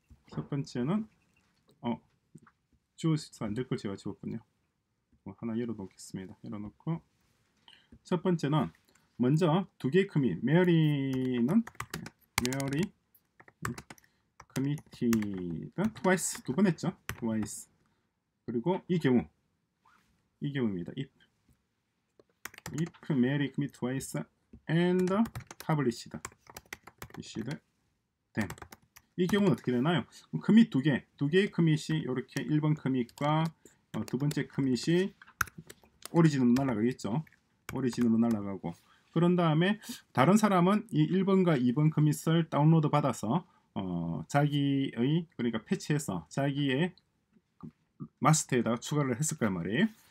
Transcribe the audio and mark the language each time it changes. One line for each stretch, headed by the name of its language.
Korean: 첫 번째는 주어서 안될걸 제가 지웠군요. 하나 열어 놓겠습니다. 열어 놓고 첫 번째는 먼저 두 개의 커밋 메어리 커미티가 트와이스 두번 했죠. 트와이스. 그리고 이 경우입니다.
English: If Mary commit twice and published them.
Korean: 이 경우는 어떻게 되나요? 커밋 두 개의 커밋이 이렇게 1번 커밋과 두 번째 커밋이 오리진으로 날아가겠죠. 오리진으로 날아가고 그런 다음에 다른 사람은 이 1번과 2번 커밋을 다운로드 받아서 자기의 그러니까 패치해서 자기의 마스터에다가 추가를 했을 거란 말이에요.